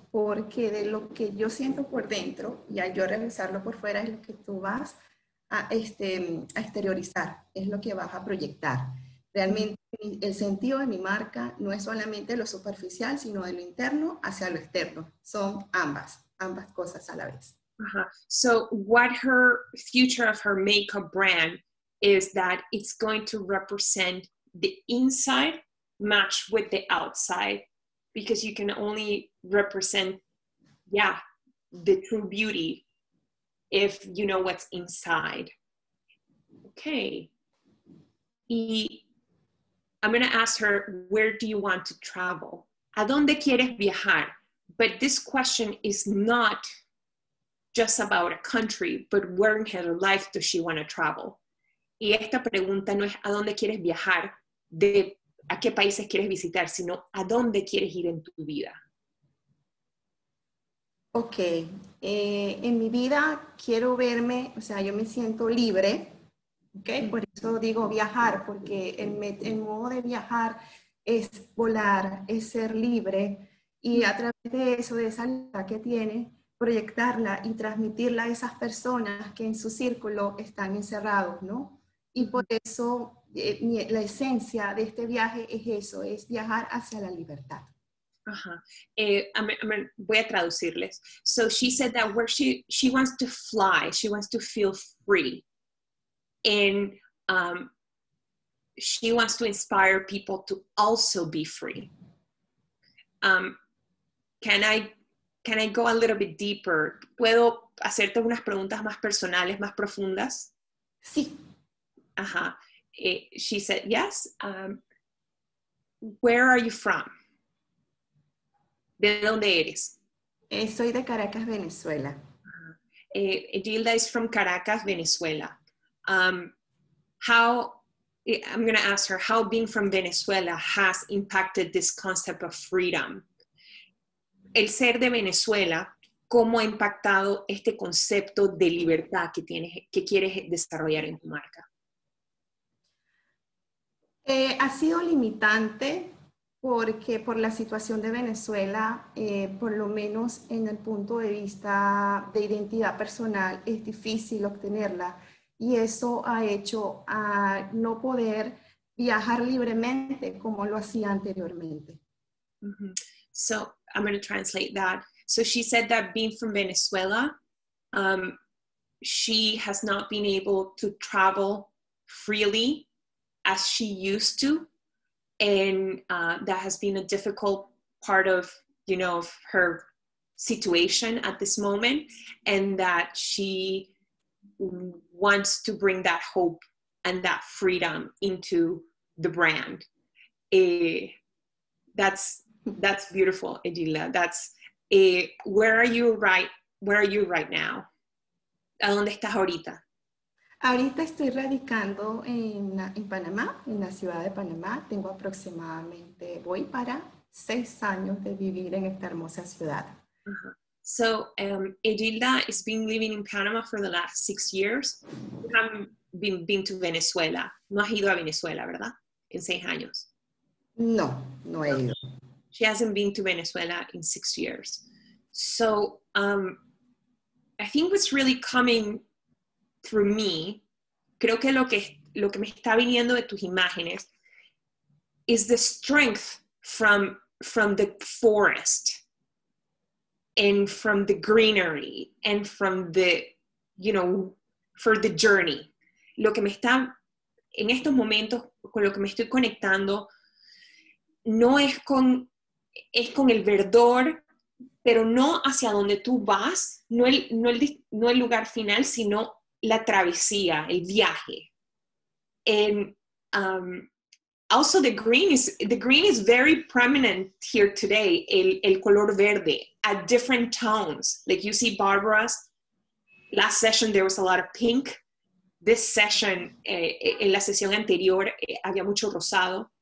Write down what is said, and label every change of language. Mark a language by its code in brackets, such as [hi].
[es] Porque de lo que yo siento por dentro y al yo realizarlo por fuera es lo que tú vas a exteriorizar, es lo que vas a proyectar. Realmente el sentido de mi marca no es solamente lo superficial, sino de lo interno hacia lo externo. Son ambas, ambas cosas a la vez. Uh-huh. [en] So what her future of her makeup brand is that it's going to represent the inside match with the outside, because you can only represent, yeah, the true beauty if you know what's inside. Okay. I'm going to ask her, where do you want to travel? [es] ¿A dónde quieres viajar? [en] But this question is not just about a country, but where in her life does she want to travel? [es] Y esta pregunta no es ¿a dónde quieres viajar? De ¿a qué países quieres visitar? Sino ¿a dónde quieres ir en tu vida? Ok. En mi vida quiero verme, o sea, yo me siento libre. Ok, por eso digo viajar, porque el modo de viajar es volar, es ser libre. Y a través de eso, de esa libertad que tiene, proyectarla y transmitirla a esas personas que en su círculo están encerrados, ¿no? Y por eso la esencia de este viaje es eso, es viajar hacia la libertad. Ajá. Voy a traducirles. [en] So she said that where she wants to fly, she wants to feel free. And she wants to inspire people to also be free. Can I go a little bit deeper? [es] ¿Puedo hacerte unas preguntas más personales, más profundas? Sí. [en] Ajá. She said, yes. Where are you from? [es] ¿De dónde eres? Soy de Caracas, Venezuela. [en] Gilda is from Caracas, Venezuela. I'm going to ask her, how being from Venezuela has impacted this concept of freedom? [es] El ser de Venezuela, ¿cómo ha impactado este concepto de libertad que tienes, que quieres desarrollar en tu marca? Ha sido limitante porque por la situación de Venezuela, por lo menos en el punto de vista de identidad personal, es difícil obtenerla. Y eso ha hecho a no poder viajar libremente como lo hacía anteriormente. [en] Mm-hmm. So I'm going to translate that. So she said that being from Venezuela, she has not been able to travel freely as she used to. And that has been a difficult part of, you know, of her situation at this moment. And that she wants to bring that hope and that freedom into the brand. That's beautiful, Edila. Where are you right now? [es] ¿A dónde estás ahorita? Ahorita estoy radicando en Panamá, en la ciudad de Panamá. Tengo aproximadamente, voy para 6 años de vivir en esta hermosa ciudad. Uh-huh. [en] So, Edilda has been living in Panama for the last 6 years. You haven't been to Venezuela. [es] No has ido a Venezuela, ¿verdad? En 6 años. No, no he ido. [en] She hasn't been to Venezuela in 6 years. So, I think what's really coming through me, [es] creo que lo que me está viniendo de tus imágenes [en] is the strength from the forest. And from the greenery, and from the, you know, for the journey. [es] Lo que me está, en estos momentos, con lo que me estoy conectando, no es con, es con el verdor, pero no hacia donde tú vas, no el lugar final, sino la travesía, el viaje. [en] And also the green is very prominent here today, [es] el color verde. [en] At different tones, like you see Barbara's last session, there was a lot of pink. This session, [es] en la sesión anterior, había mucho rosado.